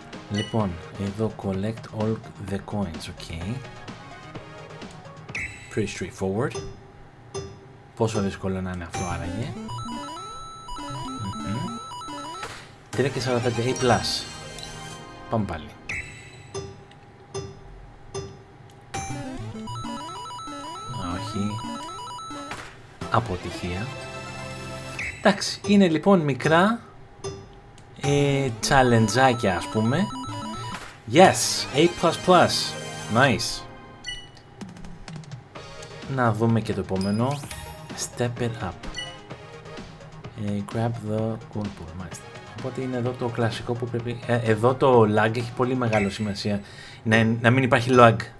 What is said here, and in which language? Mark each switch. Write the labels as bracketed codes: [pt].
[el] Λοιπόν, εδώ [en] collect all the coins, OK. Pretty straightforward. [el] Πόσο δύσκολο να είναι αυτό άραγε. 3.45 A+. Πάμε πάλι. Όχι. Αποτυχία. Εντάξει, είναι λοιπόν μικρά challenge-άκια, ας πούμε. [en] Yes, A++, nice. [el] Να δούμε και το επόμενο. [en] Step it up. Grab the gold ball, [el] μάλιστα. Οπότε είναι εδώ το κλασικό που πρέπει... εδώ το lag έχει πολύ μεγάλη σημασία. Να μην υπάρχει lag.